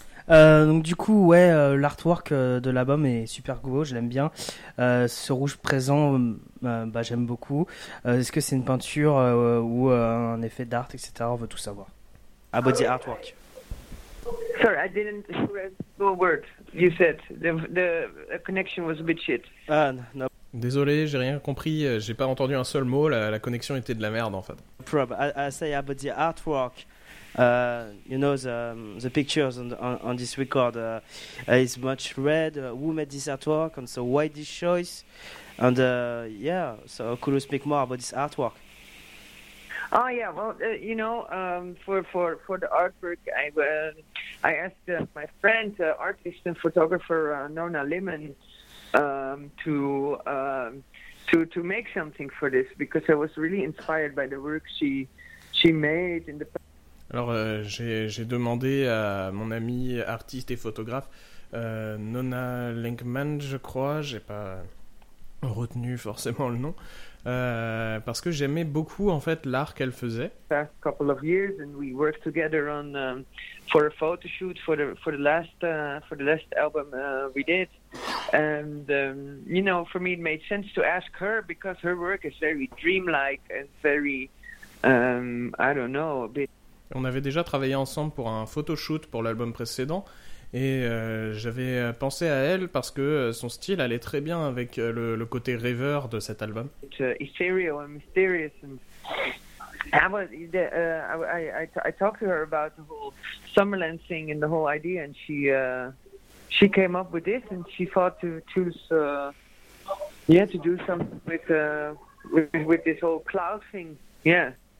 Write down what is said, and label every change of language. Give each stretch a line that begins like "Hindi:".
French: Donc du coup, ouais, l'artwork de l'album est super beau, je l'aime bien. Ce rouge présent, j'aime beaucoup. Est-ce que c'est une peinture ou un effet d'art, etc. On veut tout savoir.
English: About the artwork. Sorry, I didn't hear a word you said. The connection was a bit shit.
French: Ah, non. Désolé, j'ai rien compris, j'ai pas entendu un seul mot, la connexion était de la merde en fait.
English: I say about the artwork. You know, the pictures on this record is much red. Who made this artwork, and so why this choice? And so could you speak more about this artwork? Oh yeah, well, you know, for the artwork, I asked my friend, artist and photographer Nona Lehmann, to make something for this, because I was really inspired by the work she made in the.
French: Alors, j'ai demandé à mon amie artiste et photographe, Nona Lehmann, je crois, j'ai pas retenu forcément le nom, parce que j'aimais beaucoup, en fait, l'art qu'elle faisait.
English: Past couple of years, and we worked together on for a photo shoot for the last album we did, and you know, for me it made sense to ask her, because her work is very dreamlike and very I don't know, a bit.
French: On avait déjà travaillé ensemble pour un photoshoot pour l'album précédent, et j'avais pensé à elle parce que son style allait très bien avec le côté rêveur de cet album.
English: It's ethereal and mysterious, and I talked to her about the whole Summerland thing and the whole idea, and she came up with this, and she thought to choose to do something with this whole cloud thing, yeah.